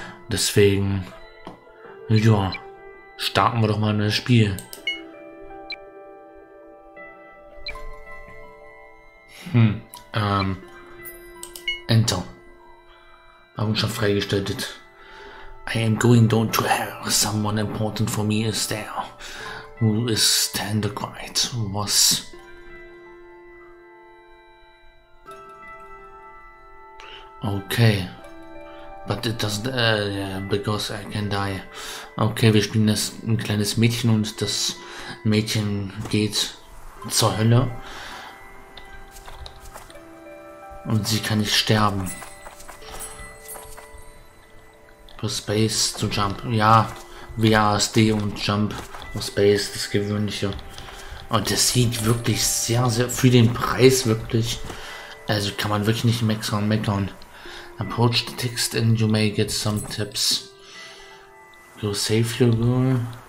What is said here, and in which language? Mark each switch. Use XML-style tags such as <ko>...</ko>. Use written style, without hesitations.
<de>Deswegen, ja, starten wir doch mal in das Spiel. Enter. Augenschaft freigestellt.</de> <en>I am going down to hell. Someone important for me is there. Who is Tendergrite?</en> <de>Was?</de> <en>Okay. But it doesn't, because I can die.</en> <de>Okay, wir spielen das ein kleines Mädchen und das Mädchen geht zur Hölle. Und sie kann nicht sterben. Plus Space zu Jump. Ja, WASD und Jump auf Space, das Gewöhnliche. Und das sieht wirklich sehr, sehr für den Preis wirklich. Also kann man wirklich nicht meckern.</de> <en>Approach the text and you may get some tips. Go save your girl.</en>